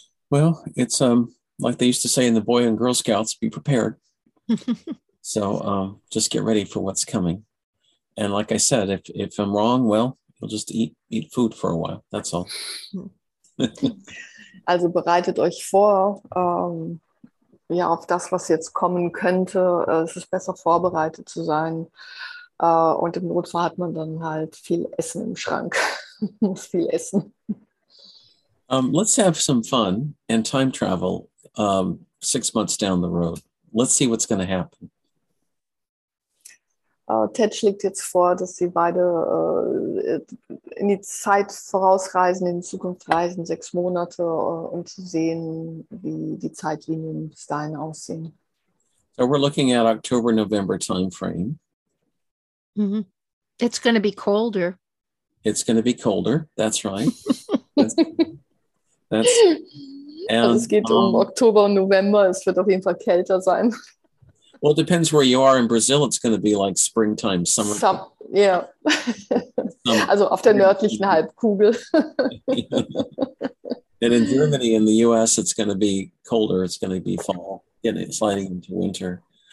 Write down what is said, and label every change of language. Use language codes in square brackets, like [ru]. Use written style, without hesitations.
[en] Well, it's like they used to say in the Boy and Girl Scouts, be prepared. So just get ready for what's coming. And like I said, if I'm wrong, well, you'll just eat food for a while. That's all. [de] Also bereitet euch vor, ja, auf das, was jetzt kommen könnte. Es ist besser, vorbereitet zu sein. Und im Notfall hat man dann halt viel Essen im Schrank. Muss viel essen. [en] Let's have some fun and time travel 6 months down the road. Let's see what's going to happen. [de] Ted schlägt jetzt vor, dass sie beide in die Zeit vorausreisen, in die Zukunft reisen, 6 Monate, um zu sehen, wie die Zeitlinien bis dahin aussehen. [en] So we're looking at October, November time frame. It's going to be colder. It's going to be colder. That's right. That's [de] Also [en] That's [de] es [en] and [de] geht um Oktober und November, es wird auf jeden Fall kälter sein. [en] well, it depends where you are in Brazil. It's going to be like springtime, summertime. Ja, yeah. Summer. [de] Also auf der nördlichen Halbkugel. [en] And in Germany, in the US, it's going to be colder. It's going to be fall, getting sliding into winter.